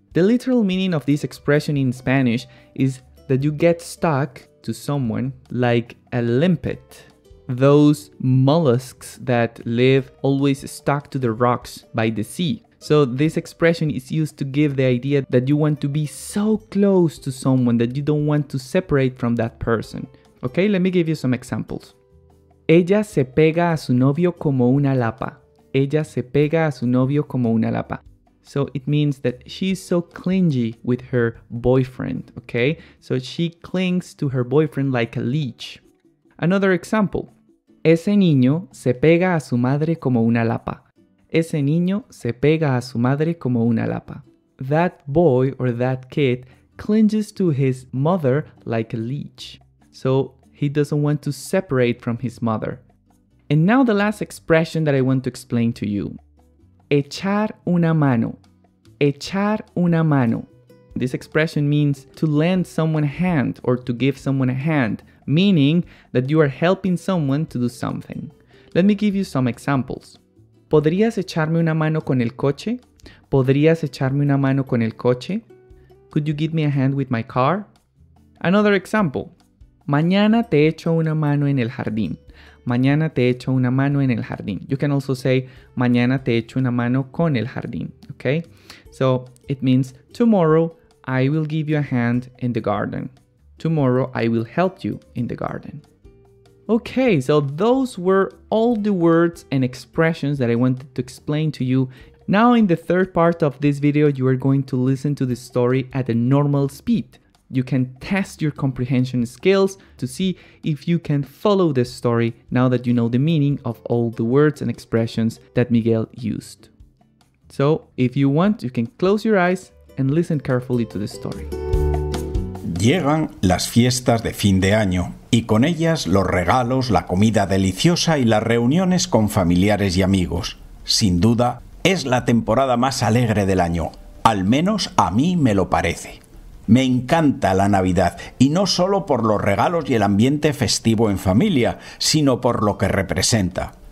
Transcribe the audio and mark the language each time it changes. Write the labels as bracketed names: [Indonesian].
[English] The literal meaning of this expression in Spanish is that you get stuck to someone like a limpet. Those mollusks that live always stuck to the rocks by the sea. So this expression is used to give the idea that you want to be so close to someone that you don't want to separate from that person. Okay, let me give you some examples. [Spanish] Ella se pega a su novio como una lapa. Ella se pega a su novio como una lapa. [English] So it means that she is so clingy with her boyfriend, okay? So she clings to her boyfriend like a leech. Another example. [Spanish] ese niño se pega a su madre como una lapa. Ese niño se pega a su madre como una lapa. [English] That boy or that kid clinges to his mother like a leech. So he doesn't want to separate from his mother. And now the last expression that I want to explain to you. [Spanish] Echar una mano. Echar una mano. [English] This expression means to lend someone a hand or to give someone a hand, meaning that you are helping someone to do something. Let me give you some examples. [Spanish] ¿Podrías echarme una mano con el coche? ¿Podrías echarme una mano con el coche? [English] Could you give me a hand with my car? Another example. [Spanish] Mañana te echo una mano en el jardín. Mañana te echo una mano en el jardín. [English] You can also say, [Spanish] mañana te echo una mano con el jardín. [English] Okay? So, it means, tomorrow I will give you a hand in the garden. Tomorrow I will help you in the garden. Okay, so those were all the words and expressions that I wanted to explain to you. Now, in the third part of this video, you are going to listen to the story at a normal speed. You can test your comprehension skills to see if you can follow the story now that you know the meaning of all the words and expressions that Miguel used. So, if you want, you can close your eyes and listen carefully to the story. [Spanish] Llegan las fiestas de fin de año y con ellas los regalos, la comida deliciosa y las reuniones con familiares y amigos. Sin duda, es la temporada más alegre del año, al menos a mí me lo parece. Me encanta la Navidad, y no solo por los regalos y el ambiente festivo en familia, sino por lo que representa.